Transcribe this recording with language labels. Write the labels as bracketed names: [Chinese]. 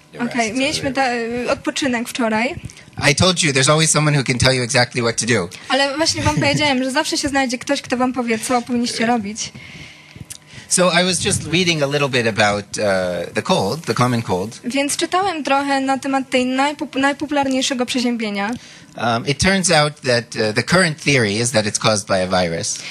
[Polish] Okay, mieliśmy odpoczynek wczoraj. [English] I told you, there's always someone who can tell you exactly what to do. [Polish] Ale właśnie wam powiedziałem, że zawsze się znajdzie ktoś, kto wam powie, co powinniście robić. [English] So I was just reading a little bit about the cold, the common cold. [Polish] Więc czytałem trochę na temat tej najpopularniejszego przeziębienia. [English] It turns out that the current theory is that it's caused by a virus.